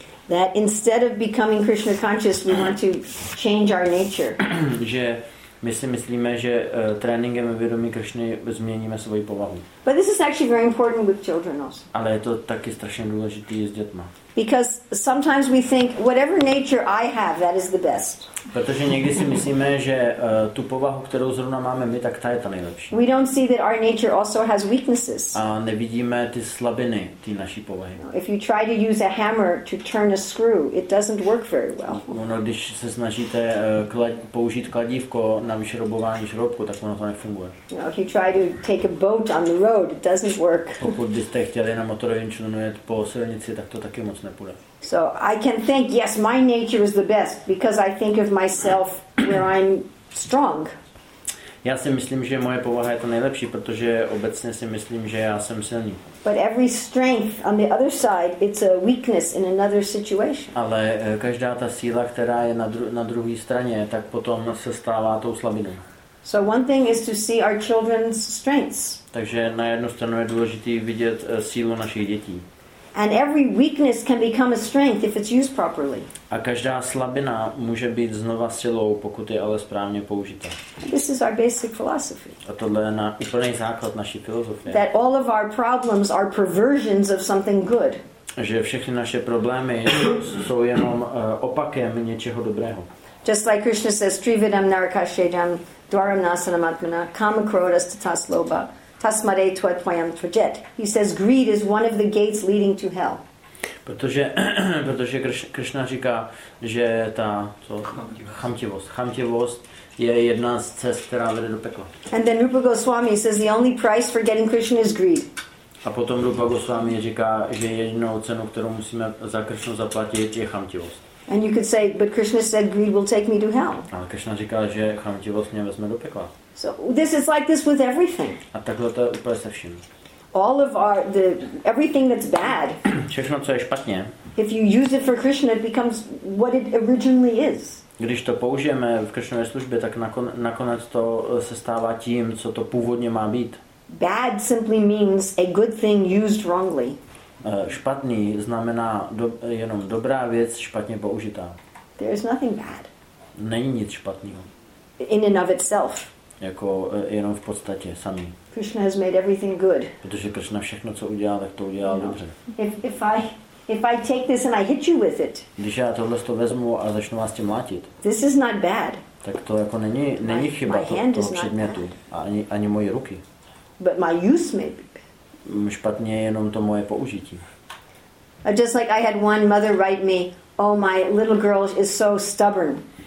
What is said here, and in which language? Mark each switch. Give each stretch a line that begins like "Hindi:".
English: That instead of becoming Krishna conscious, we want to change our nature.
Czech: Že my si myslíme, že tréninkem vědomí Krishny změníme svoji povahu.
English: But this is actually very important with children also.
Czech: Ale je to taky strašně důležitý s dětma.
English: Because sometimes we think whatever nature I have, that is the best.
Czech: Protože někdy si myslíme, že tu povahu, kterou zrovna máme my, tak ta je ta nejlepší.
English: We don't see that our nature also has weaknesses.
Czech: A nevidíme ty slabiny té naší povahy.
English: If you try to use a hammer to turn a screw, it doesn't work very well.
Czech: No, když se snažíte použít kladívko na vyšroubování šroubku, tak ono to nefunguje.
English: No, if you try to take a boat on the road, it doesn't work.
Czech: Pokud byste chtěli na motorovém člunu jet po silnici, tak to taky moc nepůjde.
English: So I can think, yes, my nature is the best because I think of myself where I'm strong.
Czech: Já si myslím, že moje povaha je to nejlepší, protože obecně si myslím, že já jsem silný.
English: But every strength on the other side, it's a weakness in another situation.
Czech: Ale každá ta síla, která je na druhé straně, tak potom se stává tou slabinou.
English: So one thing is to see our children's strengths.
Czech: Takže na jednu stranu je důležité vidět sílu našich dětí.
English: And every weakness can become a strength if it's used properly.
Czech: A každá slabina může být znova silou, pokud je ale správně použita.
English: This is our basic philosophy.
Czech: A tohle je úplný základ naší filozofie.
English: That all of our problems are perversions of something good.
Czech: Že všechny naše problémy jsou jenom opakem něčeho dobrého.
English: Just like Krishna says,
Sanskrit: Trividam Narakashejam, Dwaram Nasanam Atmana, Kama Krodas Tatasloba. Tasmade tvoj pojem tvrdět.
English: He says greed is one of the gates leading to hell.
Czech: Protože Krishna říká, že ta chamtivost je jedna z cest, která vede do pekla.
English: And then Rupa Goswami says the only price for getting Krishna is greed.
Czech: A potom Rupa Goswami říká, že jedinou cenu, kterou musíme za Krishnu zaplatit, je chamtivost.
English: And you could say, but Krishna said greed will take me to hell.
Czech: A Krishna říká, že chamtivost mě vezme do pekla.
English: So this is like this with everything.
Czech: A takhle to je úplně se vším.
English: All of our the everything that's bad.
Czech: Všechno, co je špatně.
English: If you use it for Krishna, it becomes what it originally is.
Czech: Když to použijeme v Krishnově službě, tak nakonec to se stává tím, co to původně má být.
English: Bad simply means a good thing used wrongly.
Czech: Špatný znamená jenom dobrá věc špatně použitá.
English: There is nothing bad.
Czech: Není nic špatného.
English: In and of itself.
Czech: Jako jenom v podstatě samý.
English: Krishna has made everything good.
Czech: Protože Krishna všechno, co udělal, tak to udělal dobře.
English: If I take this and I hit you with it.
Czech: Když já tohle to vezmu a začnu vás tím mlátit.
English: This is not bad.
Czech: Tak to jako není chyba toho předmětu. Ani moje ruky.
English: But my use may be.
Czech: Špatně je jenom to moje použití.
English: Just like I had one mother write me, oh, my little girl is so stubborn.